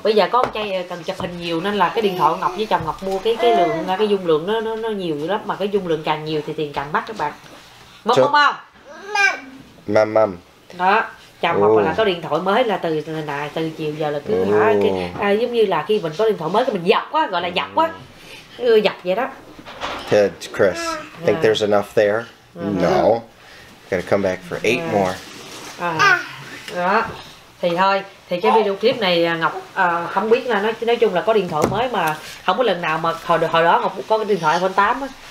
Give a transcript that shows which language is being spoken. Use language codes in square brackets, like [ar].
[vi] Bây giờ có con trai cần chụp hình nhiều nên là cái điện thoại Ngọc với chồng Ngọc mua cái lượng, cái dung lượng nó nhiều lắm, mà cái dung lượng càng nhiều thì tiền càng mắc các bạn. Mầm. Đó, chồng Ngọc là có điện thoại mới là từ chiều giờ là cứ giống như là khi mình có điện thoại mới thì mình dập quá, gọi là dập quá. Dập vậy đó. [en] Ted, Chris, think there's enough there? No. Gotta come back for 8 more. [vi] Đó. Thì thôi, thì cái video clip này Ngọc không biết là nói chung là có điện thoại mới mà không có lần nào mà hồi đó Ngọc có cái điện thoại iPhone 8 á.